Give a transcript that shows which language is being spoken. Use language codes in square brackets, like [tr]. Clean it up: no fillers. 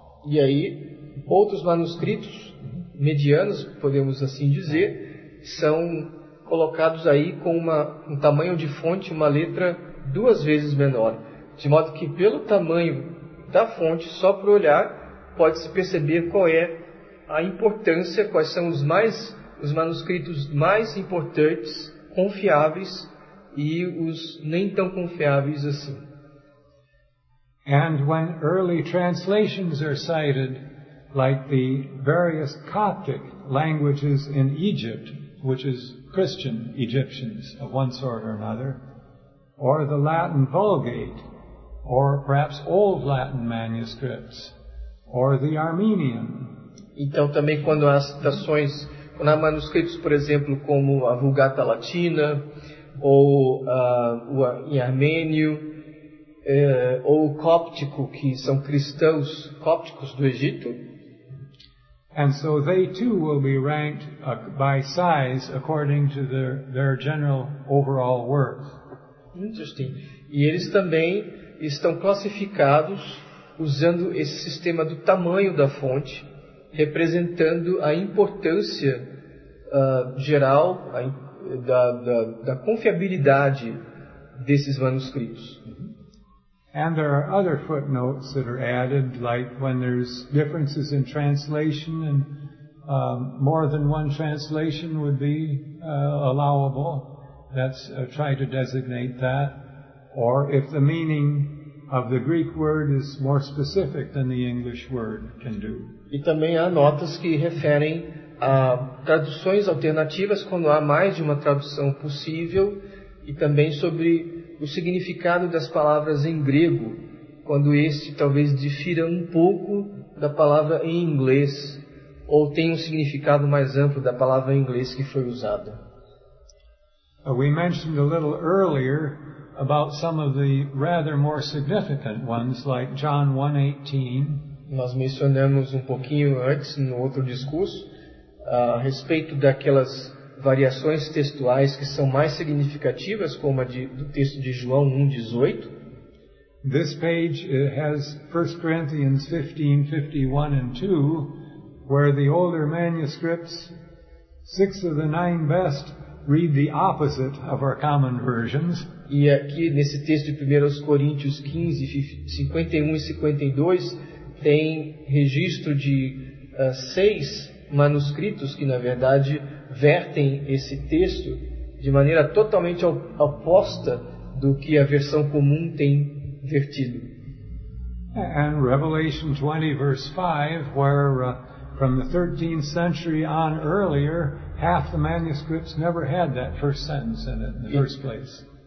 [pt] E aí, outros manuscritos medianos, podemos assim dizer, são colocados aí com um tamanho de fonte, uma letra duas vezes menor, de modo que pelo tamanho da fonte, só por olhar, pode-se perceber qual é a importância, quais são os manuscritos mais importantes, confiáveis e os nem tão confiáveis assim. [en] And when early translations are cited, like the various Coptic languages in Egypt, which is Christian Egyptians of one sort or another, or the Latin Vulgate, or perhaps old Latin manuscripts, or the Armenian. [pt] Então também quando há citações há manuscritos, por exemplo, como a Vulgata Latina, ou em armênio, ou o cóptico, que são cristãos cópticos do Egito. [en] And so they too will be ranked by size according to their general overall worth. Interesting. [pt] E eles também estão classificados usando esse sistema do tamanho da fonte, representando a importância geral da confiabilidade desses manuscritos. [en] And there are other footnotes that are added, like when there's differences in translation, and more than one translation would be allowable. That's try to designate that. Or if the meaning of the Greek word is more specific than the English word can do. [pt] E também há notas que referem a traduções alternativas quando há mais de uma tradução possível, e também sobre o significado das palavras em grego, quando este talvez difira um pouco da palavra em inglês, ou tem um significado mais amplo da palavra em inglês que foi usada. [en] We mentioned a little earlier about some of the rather more significant ones, like John 1:18. [pt] Nós mencionamos um pouquinho antes, no outro discurso, a respeito daquelas variações textuais que são mais significativas, como a do texto de João 1:18. [en] This page has 1 Corinthians 15, 51 and 2, where the older manuscripts, 6 of the 9 best, read the opposite of our common versions. [pt] E aqui nesse texto de 1 Coríntios 15, 51 e 52, tem registro de 6 manuscritos que, na verdade, vertem esse texto de maneira totalmente oposta do que a versão comum tem vertido. [en] And Revelation 20, verse 5, where from the 13th century on earlier, half the manuscripts never had that first sentence in it in the first place.